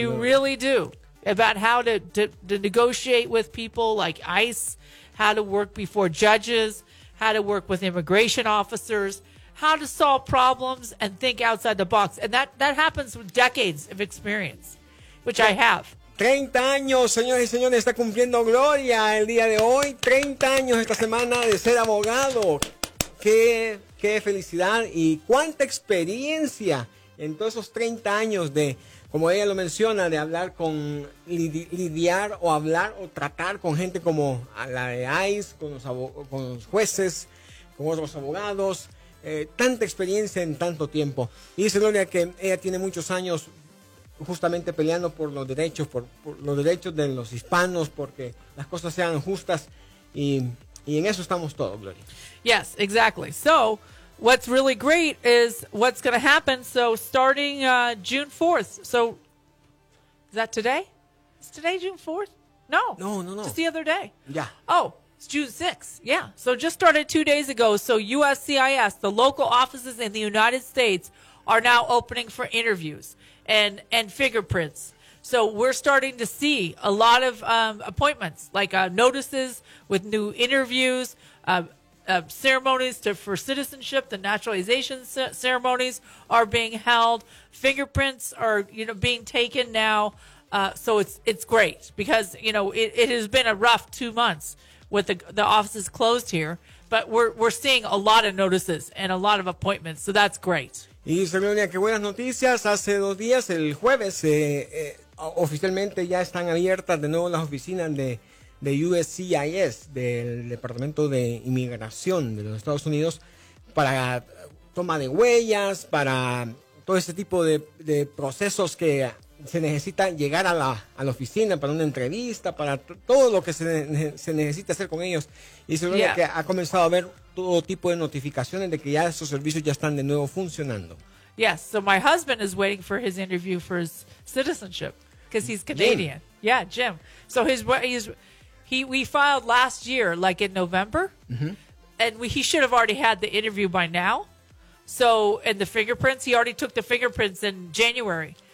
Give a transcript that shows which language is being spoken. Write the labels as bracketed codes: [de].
[en] You really do. About how to negotiate with people like ICE, how to work before judges, how to work with immigration officers, how to solve problems and think outside the box. And that happens with decades of experience, which I have. [es] 30 años, señores y señores, está cumpliendo Gloria el día de hoy. 30 años esta semana de ser abogado. Qué felicidad y cuánta experiencia en todos esos 30 años de, como ella lo menciona, de hablar con, lidiar o hablar o tratar con gente como la de ICE, con los jueces, con otros abogados. Tanta experiencia en tanto tiempo. Y dice Gloria que ella tiene muchos años justamente peleando por los derechos, por los derechos de los hispanos, porque las cosas sean justas y... Y en eso estamos todos, Gloria. [en] Yes, exactly. So, what's really great is what's going to happen. So, starting June 4th. So, is that today? Is today June 4th? No. No, no, no. Just the other day. Yeah. Oh, It's June 6th. Yeah. So just started 2 days ago. So USCIS, the local offices in the United States, are now opening for interviews and fingerprints. So we're starting to see a lot of appointments, like notices with new interviews, ceremonies for citizenship, the naturalization ceremonies are being held. Fingerprints are, you know, being taken now. So it's great because, you know, it has been a rough 2 months with the offices closed here. But we're seeing a lot of notices and a lot of appointments. So that's great. [es] Y Sonia, qué buenas noticias. Hace 2 días, el jueves, oficialmente ya están abiertas de nuevo las oficinas de USCIS, del Departamento de Inmigración de los Estados Unidos, para toma de huellas, para todo ese tipo de procesos que se necesita llegar a la oficina para una entrevista, para todo lo que se necesita hacer con ellos. Y se supone que ha comenzado a haber todo tipo de notificaciones de que ya esos servicios ya están de nuevo funcionando. [en] Yes, so my husband is waiting for his interview for his citizenship because he's Canadian. Jim. Yeah, Jim. So we filed last year, like in November, and he should have already had the interview by now. So, and the fingerprints, he already took the fingerprints in January.